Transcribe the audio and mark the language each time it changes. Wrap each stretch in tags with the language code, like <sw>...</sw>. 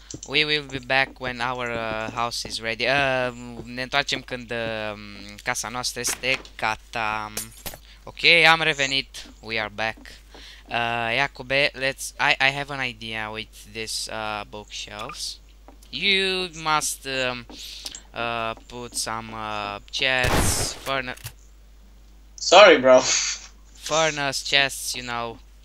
<en>We will be back when our house is ready.</en> <ro>Ne întoarcem când casa noastră este gata. Ok, am revenit.</ro> <en>We are back. Jacobe, I have an idea with this bookshelves. You must put some chests, Sorry, bro. furnace chests, you know.</en>